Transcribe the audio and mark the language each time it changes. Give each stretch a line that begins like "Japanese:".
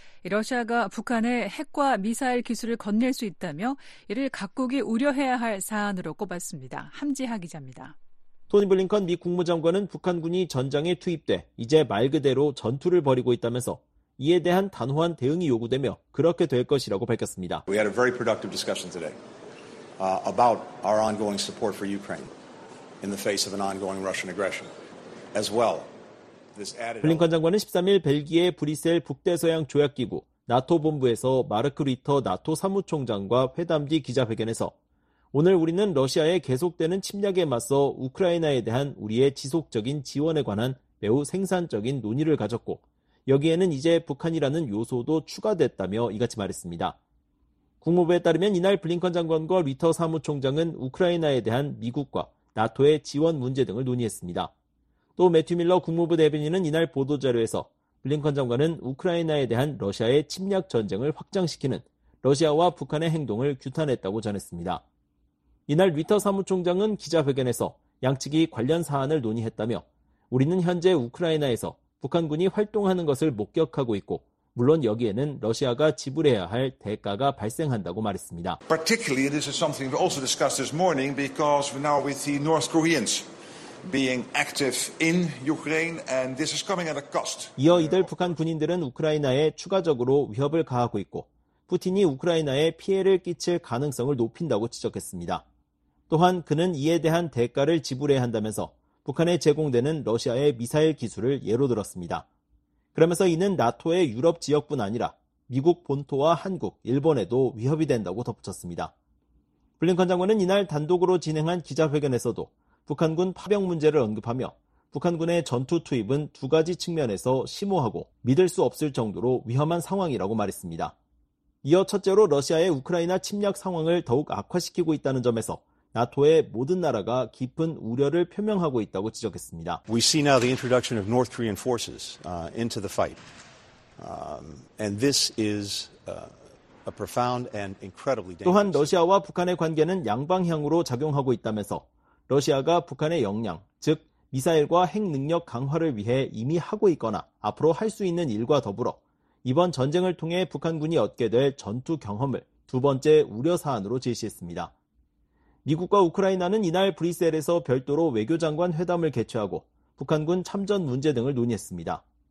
Korean: 러시아가 북한에 핵과 미사일 기술을 건넬 수 있다며 이를 각국이 우려해야 할 사안으로 꼽았습니다. 함지하 기자입니다. 토니 블링컨 미 국무장관은 북한군이 전장에 투입돼 이제 말 그대로 전투를 벌이고 있다면서 이에 대한 단호한 대응이 요구되며 그렇게 될 것이라고 밝혔습니다.
English: We had a very productive discussion today about our ongoing support for Ukraine in the face of an ongoing Russian aggression as well.
Korean: 블링컨 장관은 13일 벨기에 브뤼셀 북대서양 조약기구 나토 본부에서 마르크 리터 나토 사무총장과 회담 뒤 기자회견에서 오늘 우리는 러시아의 계속되는 침략에 맞서 우크라이나에 대한 우리의 지속적인 지원에 관한 매우 생산적인 논의를 가졌고 여기에는 이제 북한이라는 요소도 추가됐다며 이같이 말했습니다. 국무부에 따르면 이날 블링컨 장관과 리터 사무총장은 우크라이나에 대한 미국과 나토의 지원 문제 등을 논의했습니다. 또 매튜 밀러 국무부 대변인은 이날 보도자료에서 블링컨 장관은 우크라이나에 대한 러시아의 침략 전쟁을 확장시키는 러시아와 북한의 행동을 규탄했다고 전했습니다. 이날 리터 사무총장은 기자회견에서 양측이 관련 사안을 논의했다며 우리는 현재 우크라이나에서 북한군이 활동하는 것을 목격하고 있고 물론 여기에는 러시아가 지불해야 할 대가가 발생한다고 말했습니다.
English: Particularly, this is something we also discussed this morning because now with the North Koreans being active in Ukraine and this is coming at a cost.
Korean: 이어 이들 북한 군인들은 우크라이나에 추가적으로 위협을 가하고 있고 푸틴이 우크라이나에 피해를 끼칠 가능성을 높인다고 지적했습니다. 또한 그는 이에 대한 대가를 지불해야 한다면서 북한에 제공되는 러시아의 미사일 기술을 예로 들었습니다. 그러면서 이는 나토의 유럽 지역뿐 아니라 미국 본토와 한국, 일본에도 위협이 된다고 덧붙였습니다. 블링컨 장관은 이날 단독으로 진행한 기자회견에서도 북한군 파병 문제를 언급하며 북한군의 전투 투입은 두 가지 측면에서 심오하고 믿을 수 없을 정도로 위험한 상황이라고 말했습니다. 이어 첫째로 러시아의 우크라이나 침략 상황을 더욱 악화시키고 있다는 점에서 나토의 모든 나라가 깊은 우려를 표명하고 있다고 지적했습니다.
English: We see now the introduction of North Korean forces into the fight. And this is a profound and incredibly dangerous.
Korean: 또한 러시아와 북한의 관계는 양방향으로 작용하고 있다면서 러시아가 북한의 역량, 즉 미사일과 핵 능력 강화를 위해 이미 하고 있거나 앞으로 할 수 있는 일과 더불어 이번 전쟁을 통해 북한군이 얻게 될 전투 경험을 두 번째 우려 사안으로 제시했습니다. 미국과 우크라이나는 이날 브뤼셀에서 별도로 외교장관 회담을 개최하고 북한군 참전 문제 등을 논의했습니다.